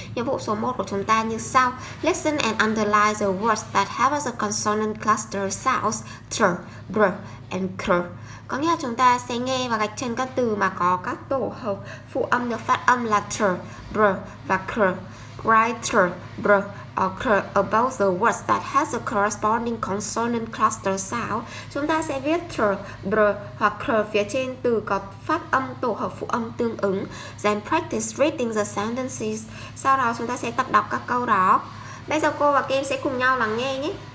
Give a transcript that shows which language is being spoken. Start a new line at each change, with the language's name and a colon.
Vietnamese: Nhiệm vụ số 1 của chúng ta như sau:
English: Listen and underline the words that have the consonant cluster sounds tr, br, and cr.
Vietnamese: Có nghĩa là chúng ta sẽ nghe và gạch chân các từ mà có các tổ hợp phụ âm được phát âm là tr, br và cr.
English: Write tr, br, or cr about the words that has the corresponding consonant cluster sound.
Vietnamese: Chúng ta sẽ viết tr, br hoặc cr phía trên từ có phát âm tổ hợp phụ âm tương ứng.
English: Then practice reading the sentences.
Vietnamese: Sau đó chúng ta sẽ tập đọc các câu đó. Bây giờ cô và các em sẽ cùng nhau lắng nghe nhé.